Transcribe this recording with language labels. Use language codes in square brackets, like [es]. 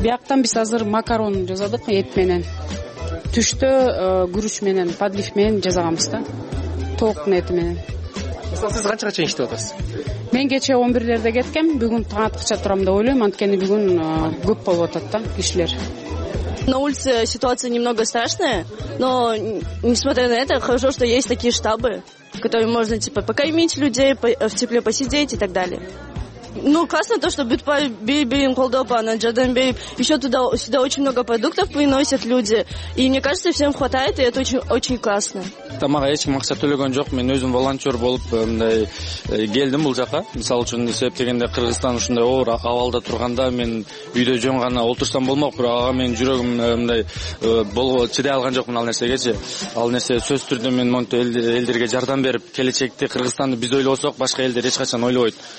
[ky] Бияктан биз азыр макарон жасадык эт менен. Түштө күрүч менен, подлив менен жасаганбыз да. Токтун эти менен. Сиз канчага чейин иштеп атасыз? Мен кечээ 11:00 кеткем, бүгүн таң аткыча турам деп ойлойм, анткени бүгүн көп болуп атат да кишилер. [ru] На улице ситуация немного страшная, но несмотря на это, хорошо, что есть такие штабы, в которые можно типа покормить людей, в тепле посидеть и так далее. Ну, классно то, что Бютбай, Бибин, Колдопана, Джадан Бейб, еще туда сюда очень много продуктов приносят люди. И мне кажется, всем хватает, и это очень, очень классно. [ky] Тамага эч максат төлөгөн жок. Мен өзүм волонтер болуп мындай келдим бул жака. Мисалы үчүн себеп дегенде Кыргызстан ушундай оор абалда турганда мен үйдө жөн гана олтурсам болмок, бирок ага менин жүрөгүм мындай чыдай алган жокмун ал нерсегечи. Ал нерсе сөзсүз түрдө мен монтип элдерге жардам берип, келечекте Кыргызстанды биз ойлосок, башка элдер эч качан ойлобойт.